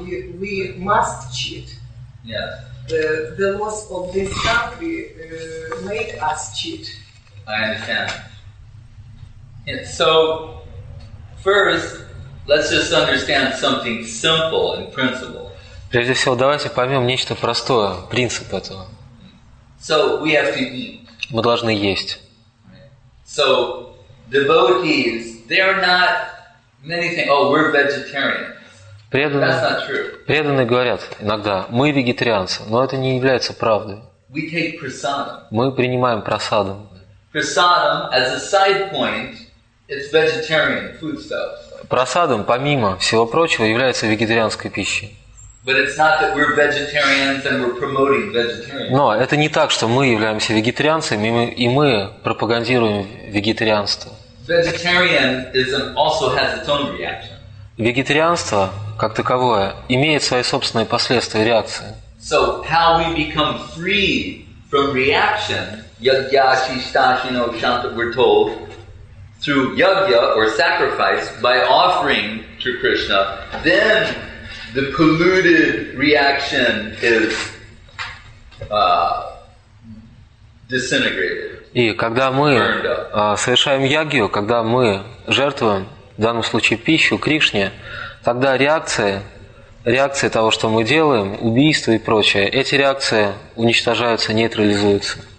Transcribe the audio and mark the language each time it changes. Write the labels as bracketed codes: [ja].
[en] We must cheat. Yes. The laws of this country make us cheat. I understand. And so, first, let's just understand something simple in principle. [ru] Прежде всего, давайте поймем нечто простое, принцип этого. [en] So we have to eat. [ru] Мы должны есть. [en] So devotees, they're not many things. Oh, we're vegetarians. [ru] Преданные, [en] that's not true. [ru] Преданные говорят иногда, мы вегетарианцы, но это не является правдой. [en] We take prasadam. [ru] Мы принимаем прасадам. [en] Prasadam as a side point, it's vegetarian foodstuffs. [ru] Прасадам, помимо всего прочего, является вегетарианской пищей. [en] But it's not that we're vegetarians and we're promoting vegetarianism. [ru] Но это не так, что мы являемся вегетарианцами и мы пропагандируем вегетарианство. [en] Vegetarianism also has its own reaction. [ru] Вегетарианство как таковое имеет свои собственные последствия реакции. [en] So how we become free from reaction, yagya, shishtashino, shanta, we're told through yagya or sacrifice by offering to Krishna, then the polluted reaction is disintegrated. [ru] И когда мы совершаем ягью, когда мы жертвуем, в данном случае пищу Кришне, тогда реакции того, что мы делаем, убийства и прочее, эти реакции уничтожаются, нейтрализуются.